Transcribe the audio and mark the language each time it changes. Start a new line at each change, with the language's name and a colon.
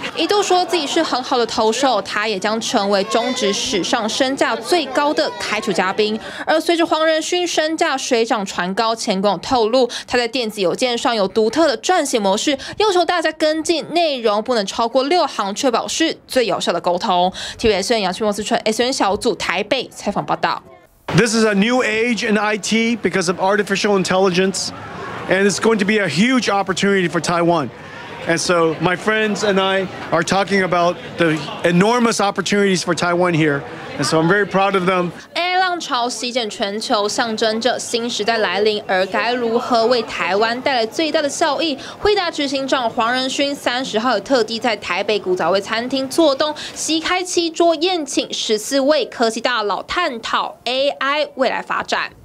Chinese: 一度说自己是很好的投手，他也将成为中职史上身价最高的开球嘉宾。而随着黄仁勋身价水涨船高，前广透露他在电子邮件上有独特的撰写模式，要求大家跟进内容不能超过6行，确保是最有效的沟通。 TVBS 杨俊墨思纯 SN 小组台北采访报道。
English: This is a new age in IT because of artificial intelligence, and it's going to be a huge opportunity for Taiwan. And so my friends and I are talking about the enormous opportunities for Taiwan here. And so I'm very proud of them.
Chinese: AI 浪潮席卷全球，象征着新时代来临，而该如何为台湾带来最大的效益？惠达执行长黄仁勋30号也特地在台北古早味餐厅坐东，席开7桌宴请14位科技大佬，探讨 AI 未来发展。